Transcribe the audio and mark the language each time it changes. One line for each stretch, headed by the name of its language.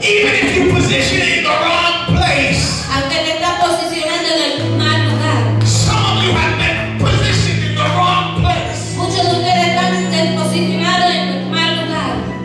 English: Even if you position in the wrong place.
Spanish: Aunque te estás posicionando en el mal lugar.
English: Some of you have been positioned in the wrong place.
Spanish: Muchos de ustedes están posicionados en el mal lugar.